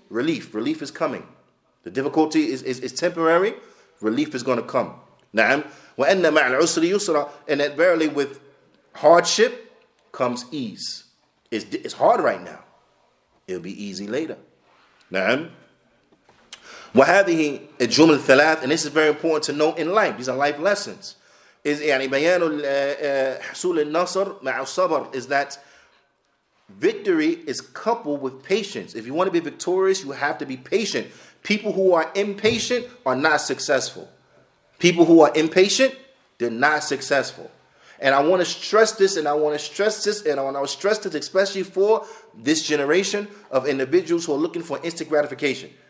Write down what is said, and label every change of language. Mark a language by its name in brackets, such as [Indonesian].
[English] Relief. Relief is coming. The difficulty is temporary. Relief is going to come. Na'am. [Arabic] وَأَنَّ مَعَ الْعُسْرِ يُسْرًا. [English] And that verily with hardship comes ease. It's hard right now. It'll be easy later. Na'am. [Arabic] وَهَذِهِ الْجُمْلَ الثَّلَاثِ. [English] And this is very important to know in life. These are life lessons. [Arabic] Is يعني بيان حصول النصر مع الصبر. [English] Is that victory is coupled with patience. If you want to be victorious, you have to be patient. People who are impatient are not successful. People who are impatient, they're not successful. And I want to stress this, and I want to stress this, and I want to stress this, especially for this generation of individuals who are looking for instant gratification.